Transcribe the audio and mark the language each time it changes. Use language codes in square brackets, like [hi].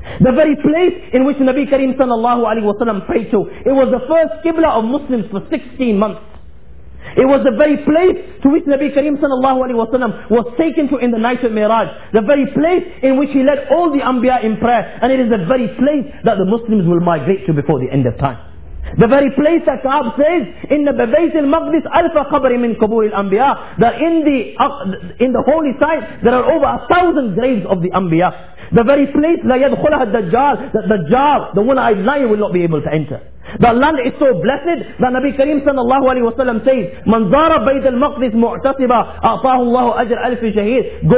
[en] The very place in which Nabi Kareem sallallahu alayhi wasalam prayed to, it was the first Qibla of Muslims for 16 months. It was the very place to which Nabi Kareem sallallahu alayhi wasallam was taken to in the night of Miraj. The very place in which he led all the Anbiya in prayer. And it is the very place that the Muslims will migrate to before the end of time. The very place that Ka'ab says, [ar] إِنَّ بَبَيْتِ الْمَقْدِسِ أَلْفَ قَبْرِ مِنْ قُبُورِ الْأَنْبِيَىٰ. [en] That in the holy site, there are over 1,000 graves of the Anbiya. The very place, [ar] لَا يَدْخُلَهَا الدَّجَّالِ. [en] That the Dajjal, the one-eyed lion, will not be able to enter. The land is so blessed that Nabi Kareem sallallahu alayhi wasallam says, [ar] مَنْ زَارَ بَيْتَ الْمَقْدِسِ مُعْتَصِبًا أَعْطَاهُ اللَّهُ أَجْرَ أَلْفِ شَهِيدٍ.